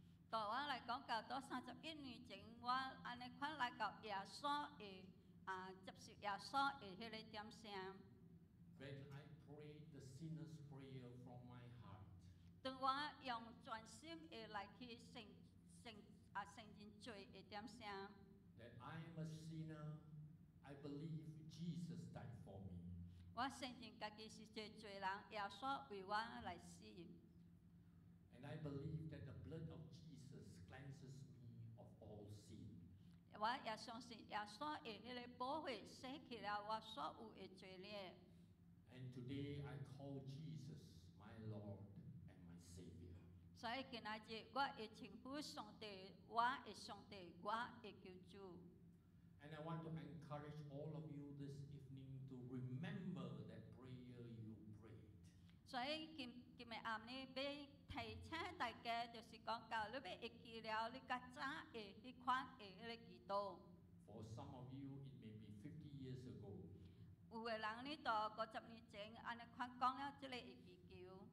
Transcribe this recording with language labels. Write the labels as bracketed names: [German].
[Min Nan Chinese] 对我来讲，到到三十一年前，我安尼款来到耶稣的啊，接受耶稣的迄个点声。 [English] When I prayed the sinner's prayer from my heart， [Min Nan Chinese] 当我用全心的来去承认罪的点声。 [English] That I am a sinner, I believe Jesus died for me。 [Min Nan Chinese] 我承认自己是罪罪人，耶稣为我来死。 [English] And I believe that the blood of Jesus cleanses me of all sin. [Min Nan Chinese] 我也相信耶稣的迄个宝血洗去了我所有的罪孽。 [English] And today I call Jesus my Lord and my Savior. [Min Nan Chinese] 所以今仔日我会称呼上帝，我的上帝，我的救主。 [English] And I want to encourage all of you this evening to remember that prayer you prayed. [Min Nan Chinese] 所以今日暗呢，要提醒大家，就是讲到你要记了你较早的迄款的迄个祈祷。 [English] For some of you, it may be 50 years ago. [Min Nan Chinese] 有个人呢，到五十年前安尼款讲了这个祈求。